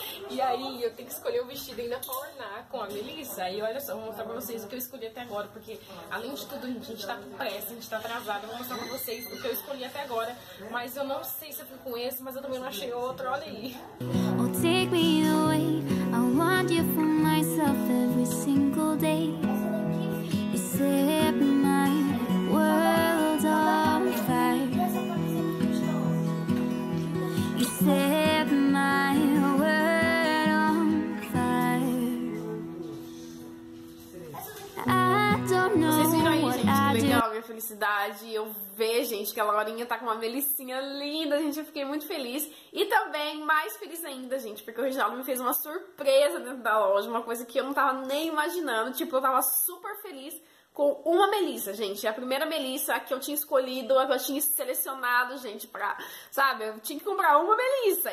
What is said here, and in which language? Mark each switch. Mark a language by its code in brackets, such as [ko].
[pt] E aí, eu tenho que escolher o vestido ainda pra ornar com a melissa. E olha só, vou mostrar pra vocês o que eu escolhi até agora. Porque, além de tudo, gente, a gente tá com pressa, a gente tá atrasada. Vou mostrar pra vocês o que eu escolhi até agora. Mas eu não sei se eu fui com esse, mas eu também não achei outro. Olha aí. [en] Oh, take me away. I want you for myself every single day. You set my world on fire. You set my world on fire. I don't know what I do. [pt] felicidade. Eu ver, gente, que a Laurinha tá com uma melicinha linda, gente, eu fiquei muito feliz. E também, mais feliz ainda, gente, porque o Reginaldo me fez uma surpresa dentro da loja, uma coisa que eu não tava nem imaginando. Tipo, eu tava super feliz com uma melissa, gente. A primeira melissa que eu tinha escolhido, a que eu tinha selecionado, gente, pra, sabe? Eu tinha que comprar uma melissa.